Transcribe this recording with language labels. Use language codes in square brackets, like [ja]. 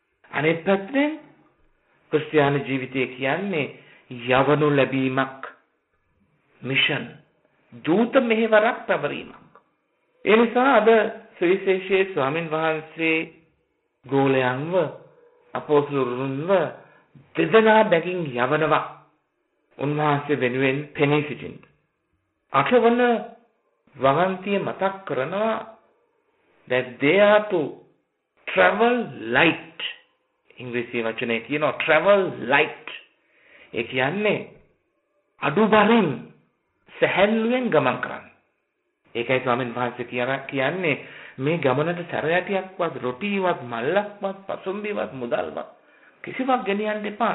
[si] අනෙත් පැත්තෙන් ක්‍රිස්තියානි ජීවිතය කියන්නේ යවනු ලැබීමක්, මිෂන් දූත මෙහෙවරක් පැවරීමක්. ඒ නිසා අද සුවිශේෂයේ ස්වාමින් වහන්සේ ගෝලයන්ව අපෝසලුරුන්ව දෙදෙනා බැගින් යවනවා උන්වහන්සේ වෙනුවෙන් පෙනී සිටින්ද. අටවන වහන්තිය මතක් කරනවා [en] that they are to travel light. [si] ඉංග්‍රීසි වචනේ කියනවා [en] travel light. [si] ඒ කියන්නේ අඩුබරින් සැහැල්ලුවෙන් ගමන් කරන්න. ඒකයි ස්වාමීන් වහන්සේ කියන්නේ මේ ගමනට සැරයටියක්වත් රොටීවත් මල්ලක්වත් පසුම්බිවත් මුදල්වත් කිසිවක් ගෙනියන්න එපා.